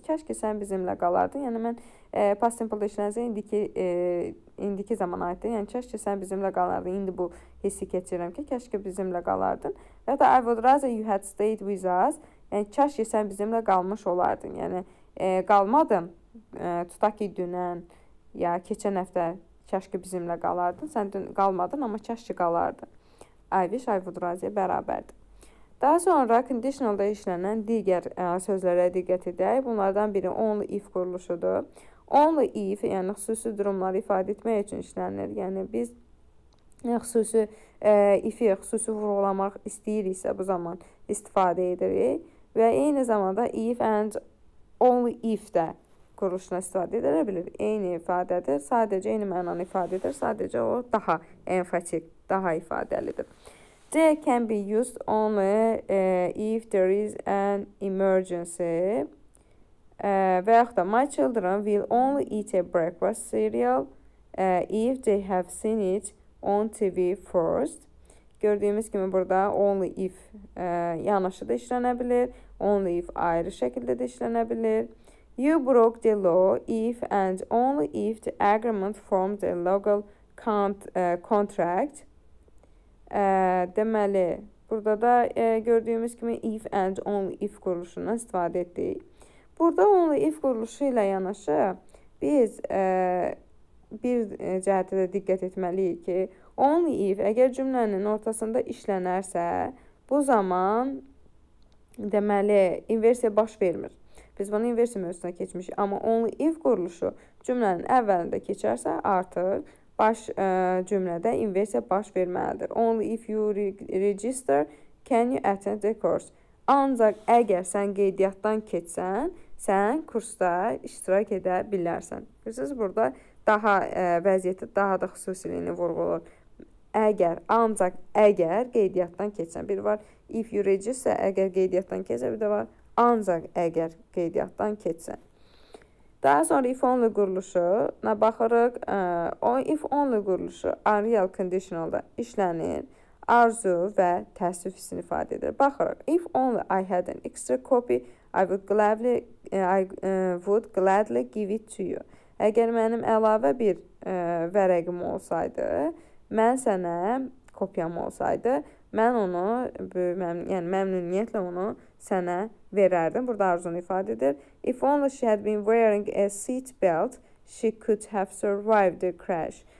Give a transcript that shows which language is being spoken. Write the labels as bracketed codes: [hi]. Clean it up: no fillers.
[az] Kəşki sən bizimlə qalardın. Yəni, mən past simple-da işlənəcək indiki zaman aiddir. Yəni, kəşki sən bizimlə qalardın. İndi bu hissi keçirirəm ki, kəşki bizimlə qalardın. Və da [en] I would rather you had stayed with us. [az] Yəni, kəşki sən bizimlə qalmış olardın. Yəni, qalmadın. Tutaq ki, dünən ya keçən həftə kəşki bizimlə qalardın. Sən dün qalmadın, amma kəşki qalardın. I wish I would rather bərabərdir. Daha sonra conditional-da işlənən digər sözlərə diqqət edək. Bunlardan biri only if quruluşudur. Only if, yəni xüsusi durumları ifadə etmək üçün işlənir. Yəni biz xüsusi if-i xüsusi vurğulamaq istəyiriksə bu zaman istifadə edirik. Və eyni zamanda if and only if də quruluşuna istifadə edə bilir. Eyni ifadədir, sadəcə eyni mənanı ifadə edir, sadəcə o daha enfatik. Daha ifadəlidir. [en] They can be used only if there is an emergency. [az] Və yaxud da [en] my children will only eat a breakfast cereal if they have seen it on TV first. [az] Gördüyümüz kimi burada only if yanaşı da işlənə bilir. Only if ayrı şəkildə də işlənə bilir. [en] You broke the law if and only if the agreement formed a legal contract. [az] Deməli, burada da gördüyümüz kimi if and only if quruluşundan istifadə etdik. Burada only if quruluşu ilə yanaşı biz bir cəhətdə də diqqət etməliyik ki, only if əgər cümlənin ortasında işlənərsə, bu zaman deməli, inversiya baş vermir. Biz bunu inversiya mövzusuna keçmişik, amma only if quruluşu cümlənin əvvəlində keçərsə artıq, baş cümlədə inversiya baş verməlidir. [en] Only if you register, can you attend the course? [az] Ancaq əgər sən qeydiyyatdan keçsən, sən kursda iştirak edə bilərsən. Siz burada daha vəziyyəti daha da xüsusiliyini vurğulur. Əgər, ancaq əgər qeydiyyatdan keçsən. Bir var [en] if you register, [az] əgər qeydiyyatdan keçsən, bir də var ancaq əgər qeydiyyatdan keçsə. Daha sonra if only quruluşuna baxırıq. O if only quruluşu unreal conditionalda işlənir. Arzu və təəssüf hissini ifadə edir. Baxırıq. [en] If only I had an extra copy, I would gladly give it to you. [az] Əgər mənim əlavə bir vərəqim olsaydı, mən sənə kopyam olsaydı, mən onu, yəni məmnuniyyətlə onu sənə verərdim. Burada arzunu ifadə edir. [en] If only she had been wearing a seat belt, she could have survived the crash.